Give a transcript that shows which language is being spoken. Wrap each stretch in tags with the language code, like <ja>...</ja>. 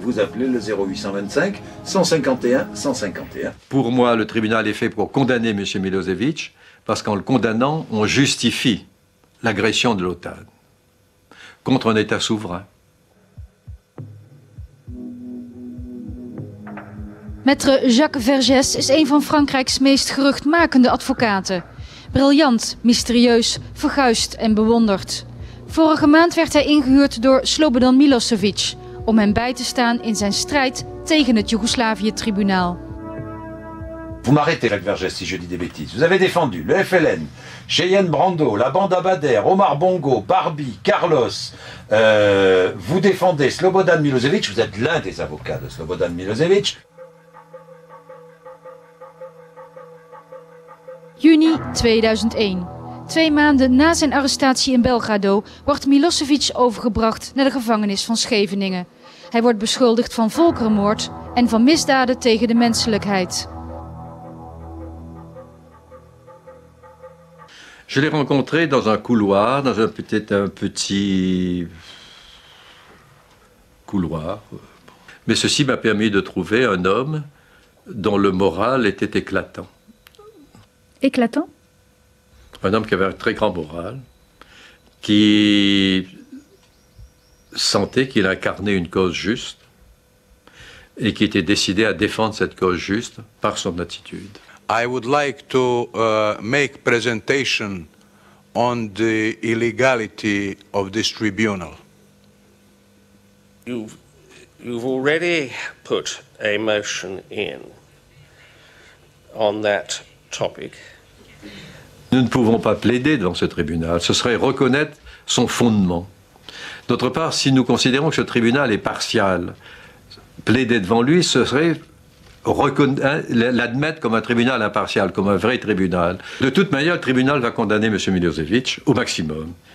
<fr>Vous appelez le 0825 151 151. Pour moi, le tribunal est fait pour condamner M. Milosevic parce qu'en le condamnant, on justifie l'agression de l'OTAN contre un État souverain.</fr> <nl>Maître Jacques Vergès is een van Frankrijk's meest geruchtmakende advocaten. Briljant, mysterieus, verguisd en bewonderd. Vorige maand werd hij ingehuurd door Slobodan Milosevic om hem bij te staan in zijn strijd tegen het Joegoslavië-tribunaal.</nl> <fr>Vous m'arrêtez, Jacques Vergès, si je dis des bêtises. Vous avez défendu le FLN, Cheyenne Brando, la bande Abadère, Omar Bongo, Barbie, Carlos. Vous défendez Slobodan Milosevic, vous êtes l'un des avocats de Slobodan Milosevic.</fr> <nl>juni 2001. 2 maanden na zijn arrestatie in Belgrado wordt Milosevic overgebracht naar de gevangenis van Scheveningen. Hij wordt beschuldigd van volkerenmoord en van misdaden tegen de menselijkheid.</nl> <fr>Je l'ai rencontré dans un couloir, dans un peut-être un petit couloir. Mais ceci m'a permis de trouver un homme dont le moral était éclatant. Éclatant? Un homme qui avait un très grand moral, qui sentait qu'il incarnait une cause juste et qui était décidé à défendre cette cause juste par son attitude.</fr> <en>I would like to make presentation on the illegality of this tribunal. You've already put a motion in on that topic.</en> <fr>Nous ne pouvons pas plaider devant ce tribunal. Ce serait reconnaître son fondement. D'autre part, si nous considérons que ce tribunal est partial, plaider devant lui, ce serait l'admettre comme un tribunal impartial, comme un vrai tribunal. De toute manière, le tribunal va condamner M. Milosevic au maximum.</fr>